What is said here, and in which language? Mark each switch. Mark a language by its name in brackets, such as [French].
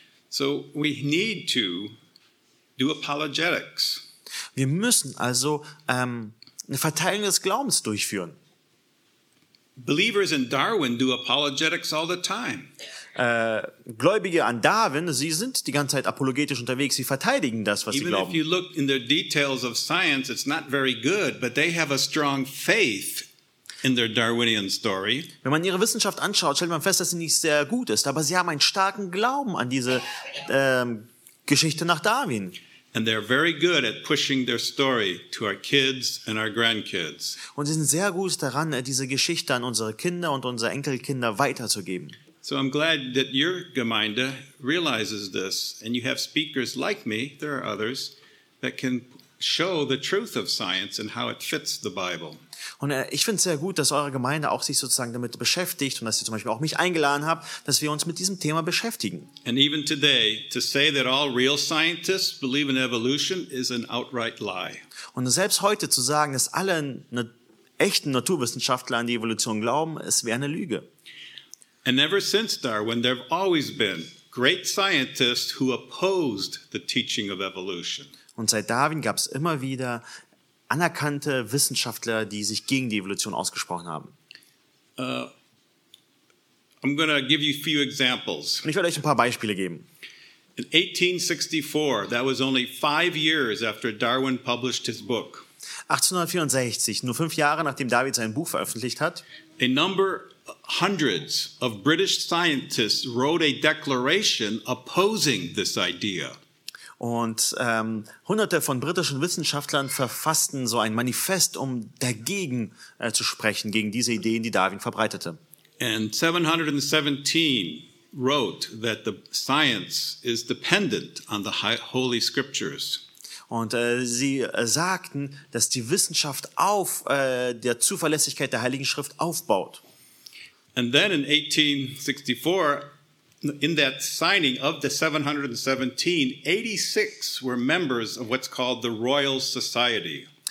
[English] So we need to do apologetics. [German] Wir müssen also eine Verteidigung des Glaubens durchführen. [English] Believers in Darwin do apologetics all the time. [German] Gläubige an Darwin, sie sind die ganze Zeit apologetisch unterwegs, sie verteidigen das, was [English] Even [German] sie glauben. [English] Even if you look in their details of science, it's not very good, but they have a strong faith in their Darwinian story. [German] Wenn man ihre Wissenschaft anschaut, stellt man fest, dass sie nicht sehr gut ist, aber sie haben einen starken Glauben an diese Geschichte nach Darwin. [English] And they're very good at pushing their story to our kids and our grandkids. [German] Und sie sind sehr gut daran, diese Geschichte an unsere Kinder und unsere Enkelkinder weiterzugeben. [English] So I'm glad that your Gemeinde realizes this and you have speakers like me, there are others, that can show the truth of science and how it fits the Bible. [German] Und ich finde es sehr gut, dass eure Gemeinde auch sich sozusagen damit beschäftigt und dass ihr zum Beispiel auch mich eingeladen habt, dass wir uns mit diesem Thema beschäftigen. [English] And even today, to say that all real scientists believe in evolution is an outright lie. [German] Und selbst heute zu sagen, dass alle echten Naturwissenschaftler an die Evolution glauben, es wäre eine Lüge. [English] And ever since Darwin, there have always been great scientists who opposed the teaching of evolution. [German] Und seit Darwin gab es immer wieder anerkannte Wissenschaftler, die sich gegen die Evolution ausgesprochen haben. [English] I'm gonna give you a few examples. [German] Ich werde euch ein paar Beispiele geben. [English] In 1864, that was only 5 years after Darwin published his book. [German] 1864, nur 5 Jahre nachdem Darwin sein Buch veröffentlicht hat. [English] A number hundreds of British scientists wrote a declaration opposing this idea. [German] Und hunderte von britischen Wissenschaftlern verfassten so ein Manifest, um dagegen zu sprechen, gegen diese Ideen, die Darwin verbreitete. [English] And 717 wrote that the science is dependent on the holy scriptures. [German] Und sie sagten, dass die Wissenschaft auf der Zuverlässigkeit der Heiligen Schrift aufbaut. [English] And then in 1864, in that signing of the 717, 86 were members of what's called the Royal Society.